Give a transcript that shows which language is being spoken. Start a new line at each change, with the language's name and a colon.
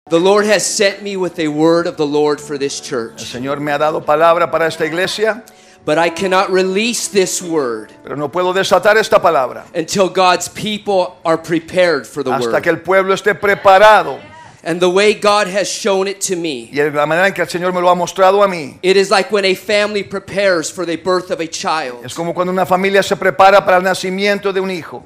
English: The Lord has sent me with a word of the Lord for this church.
Spanish: El Señor me ha dado palabra para esta iglesia.
English: But I cannot release this word.
Spanish: Pero no puedo desatar esta palabra.
English: Until God's people are prepared for the
Spanish: hasta
English: word.
Spanish: Que el pueblo esté preparado.
English: And the way God has shown it to me.
Spanish: Y la manera en que el Señor me lo ha mostrado a mí.
English: It is like when a family prepares for the birth of a child.
Spanish: Es como cuando una familia se prepara para el nacimiento de un hijo.